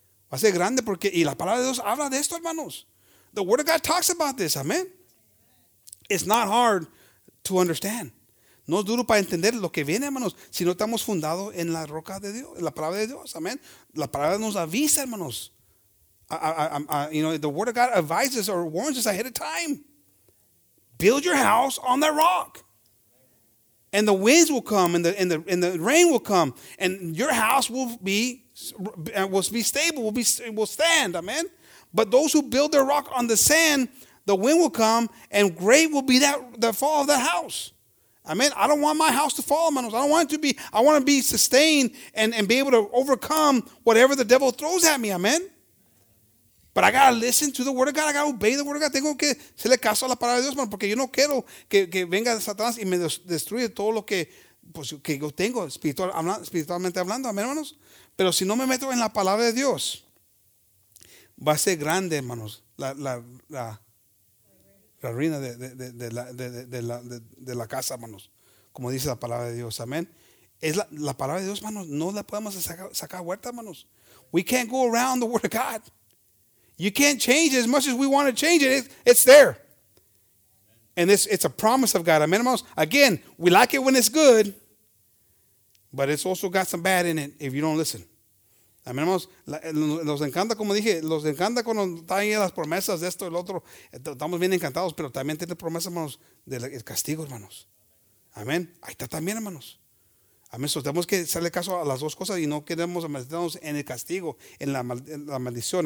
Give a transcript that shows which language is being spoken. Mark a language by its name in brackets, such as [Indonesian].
[Spanish] Va a ser grande porque, y la palabra de Dios habla de esto, hermanos. [English] The word of God talks about this, amen. It's not hard to understand. [Spanish] No es duro para entender lo que viene, hermanos, si no estamos fundados en la roca de Dios, en la palabra de Dios, amen. La palabra nos avisa, hermanos. [English] The word of God advises or warns us ahead of time. Build your house on that rock. And the winds will come and the rain will come and your house will be stable, will stand, amen. But those who build their rock on the sand, the wind will come and great will be that the fall of the house. Amen. I don't want my house to fall, manos. I don't want it to be, I want to be sustained and be able to overcome whatever the devil throws at me, amen. But I gotta listen to the word of God. I gotta obey the word of God. [Spanish] Tengo que hacerle caso a la palabra de Dios, man, porque yo no quiero que venga Satanás y me destruya todo lo que, pues, que yo tengo espiritualmente hablando. Amén, hermanos. Pero si no me meto en la palabra de Dios, va a ser grande, hermanos, la ruina de la casa, hermanos. Como dice la palabra de Dios. Amén. Es la palabra de Dios, hermanos. No la podemos sacar huerta, hermanos. [English] We can't go around the word of God. You can't change it as much as we want to change it. It's there. And it's a promise of God. Amen, hermanos? Again, we like it when it's good, but it's also got some bad in it if you don't listen. [Spanish] Amén, hermanos. Nos encanta, como dije, nos encanta cuando están ahí las promesas de esto y el otro. Estamos bien encantados, pero también tiene promesas, hermanos, del castigo, hermanos. Amén. Ahí está también, hermanos. Amén. So, tenemos que hacerle caso a las dos cosas y no queremos meternos en el castigo, en la maldición.